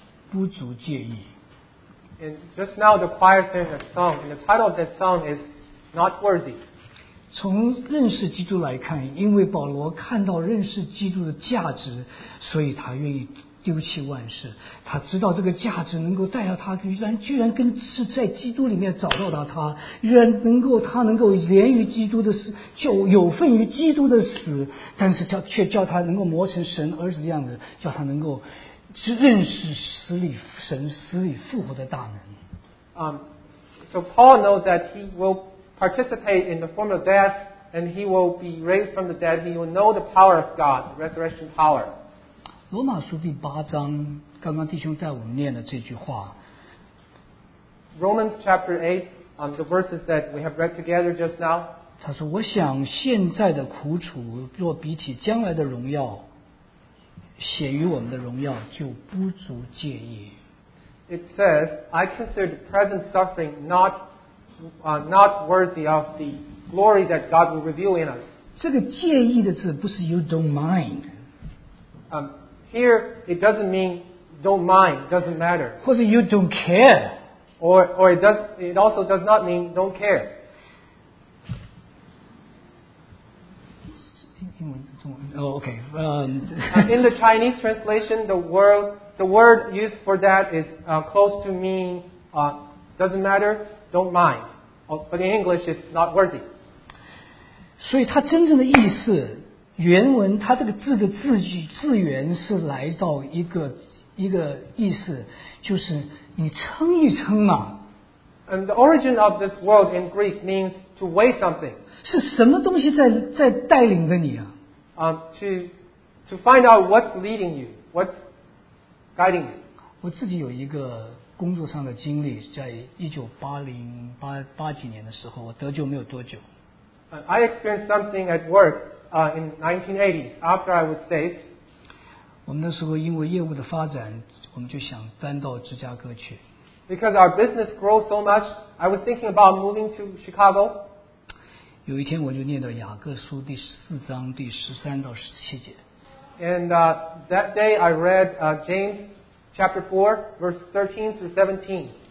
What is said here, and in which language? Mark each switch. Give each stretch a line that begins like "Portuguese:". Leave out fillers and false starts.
Chinese: 我要说什么。刚刚我们诗班献了一首诗歌,叫做,那个诗歌的名字叫做不足介意。
English: And just now the choir sang a song, and the title of that song is Not Worthy.
Chinese: 从认识基督来看,因为保罗看到认识基督的价值,所以他愿意 丢弃万事,他知道这个价值能够带到他,居然跟是在基督里面找到他,居然能够他能够连于基督的死,就有份于基督的死,但是却叫他能够磨成神儿子的样子,叫他能够认识死里,神死里复活的大能。
English: So Paul knows that he will participate in the form of death, and he will be raised from the dead, he will know the power of God, the resurrection power.
Chinese: 罗马书第八章, 刚刚弟兄带我们念的这句话,
English: Romans chapter 8, the verses that we have read together just now.
Chinese: 他说, 我想现在的苦楚, 若比起将来的荣耀, 显于我们的荣耀, 就不足介意。
English: It says, I consider the present suffering not worthy of the glory that God will reveal in us.
Chinese: 这个介意的字不是
English: you don't mind. Here, it doesn't mean don't mind, doesn't matter.
Chinese: 或者
English: you don't care. Or it also does not mean don't care. Oh, okay. In the Chinese translation, the word used for that is close to mean doesn't matter, don't mind. But in English, it's not worthy.
Chinese: 所以它真正的意思, 原文, 它这个字的字句, 字源是来到一个意思, 就是你称一称嘛。
English: And the origin of this word in Greek means to weigh something.
Chinese: 是什么东西在带领着你啊?
English: To find out what's leading you, what's guiding you.
Chinese: 我自己有一个工作上的经历, 在1980、80几年的时候, 我得救没有多久。
English: I experienced something at work in 1980, after I was saved.
Chinese: 我们那时候因为业务的发展, 我们就想搬到芝加哥去。
English: Because our business grew so much, I was thinking about moving to Chicago.
Chinese: 有一天我就念到雅各书第四章第13到17节。
English: And that day I read James chapter 4, verse 13 through 17.